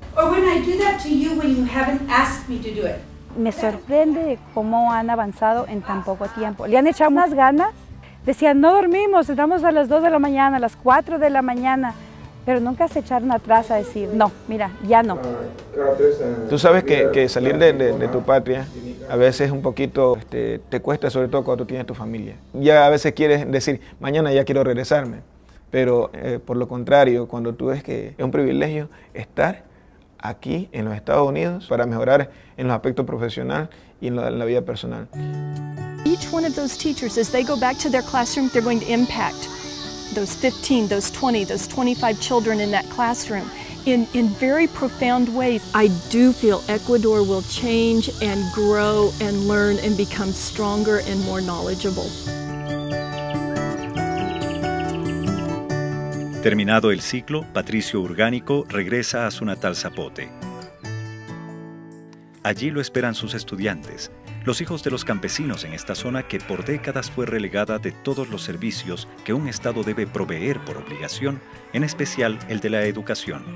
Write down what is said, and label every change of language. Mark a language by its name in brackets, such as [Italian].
[English] Or when I do that to you when you haven't asked me to do it. [Spanish] Me sorprende cómo han avanzado en tan poco tiempo. Le han echado unas ganas. Decían, no dormimos, estamos a las 2 de la mañana, a las 4 de la mañana. Pero nunca se echaron atrás a decir, no, mira, ya no. Tú sabes que salir de tu patria a veces un poquito te cuesta, sobre todo cuando tú tienes tu familia. Ya a veces quieres decir, mañana ya quiero regresarme. Pero por lo contrario, cuando tú ves que es un privilegio estar aquí en los Estados Unidos para mejorar en los aspectos profesionales y en la vida personal. [English] Each one of those teachers, as they go back to their classroom, they're going to impact those 15, those 20, those 25 children in that classroom in very profound ways. I do feel Ecuador will change and grow and learn and become stronger and more knowledgeable. [Spanish] Terminado el ciclo, Patricio Urgánico regresa a su natal Zapote. Allí lo esperan sus estudiantes, los hijos de los campesinos en esta zona que por décadas fue relegada de todos los servicios que un Estado debe proveer por obligación, en especial el de la educación.